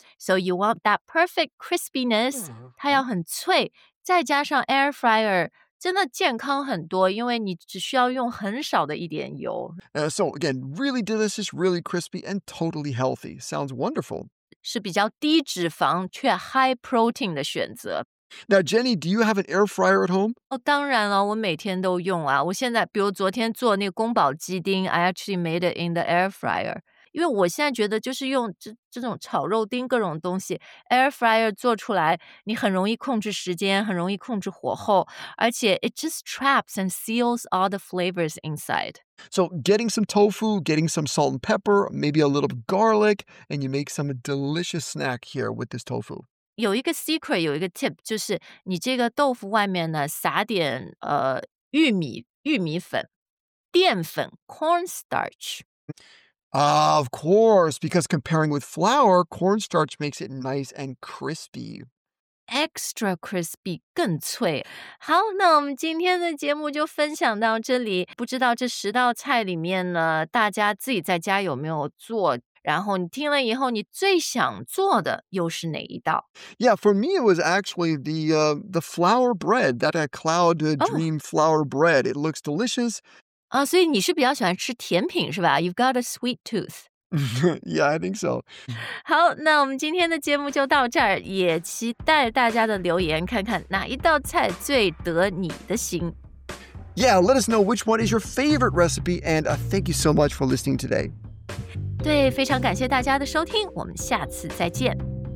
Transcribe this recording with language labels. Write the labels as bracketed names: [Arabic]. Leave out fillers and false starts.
[English] So you want that perfect crispiness, [Chinese] 它要很脆，再加上 air fryer, 真的健康很多，因为你只需要用很少的一点油。 [English] So again, really delicious, really crispy, and totally healthy. Sounds wonderful. [Chinese] 是比较低脂肪却 high protein 的选择。 [English] Now, Jenny, do you have an air fryer at home? [Chinese] Oh, 当然了，我每天都用啊。我现在，比如昨天做那个宫保鸡丁， [English] I actually made it in the air fryer. [Chinese] 因为我现在觉得就是用 这种炒肉丁各种东西 air fryer 做出来你很容易控制时间很容易控制火候而且 [English] it just traps and seals all the flavors inside. So getting some tofu, getting some salt and pepper, maybe a little garlic, and you make some delicious snack here with this tofu. [Chinese] 有一个 secret, 有一个 tip, 就是你这个豆腐外面呢撒点玉米粉淀粉 corn starch. [English] Of course, because comparing with flour, cornstarch makes it nice and crispy. Extra crispy, 更脆。 [Chinese] 好，那我们今天的节目就分享到这里。不知道这十道菜里面呢，大家自己在家有没有做？然后你听了以后，你最想做的又是哪一道？ [English] Yeah, for me, it was actually the flour bread, that cloud dream flour bread. It looks delicious. [Chinese] 所以你是比较喜欢吃甜品是吧 ? [English] You've got a sweet tooth. Yeah, I think so. [Chinese] 好那我们今天的节目就到这儿也期待大家的留言看看哪一道菜最得你的心。 [English] Yeah, let us know which one is your favorite recipe and thank you so much for listening today. [Chinese] 对非常感谢大家的收听我们下次再见。